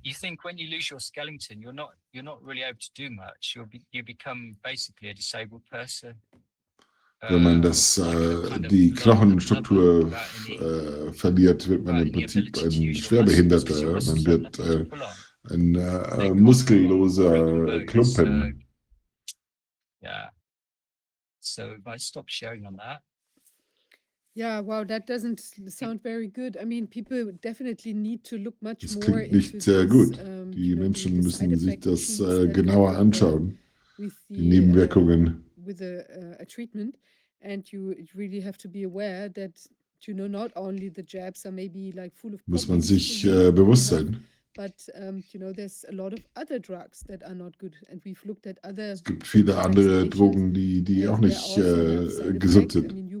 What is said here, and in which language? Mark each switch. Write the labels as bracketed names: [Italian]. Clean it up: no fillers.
[English] You think when you lose your skeleton, you're not really able to do much. You become basically a disabled person. [German] Wenn man das die Knochenstruktur verliert, wird man im Prinzip ein Schwerbehinderter. Man wird ein muskelloser Klumpen. [English] Yeah. So if I stop sharing on that. Yeah, wow, that doesn't sound very good. I mean, people definitely need to look much more. [German] Das klingt nicht sehr gut. Die Menschen müssen sich das genauer anschauen, die Nebenwirkungen. [English] With a treatment, and you really have to be aware that, you know, not only the jabs are maybe like full of. [German] Muss man sich bewusst sein. [English] But you know, there's a lot of other drugs that are not good, and we've looked at other. [German] Es gibt viele andere Drogen, die auch nicht gesund sind.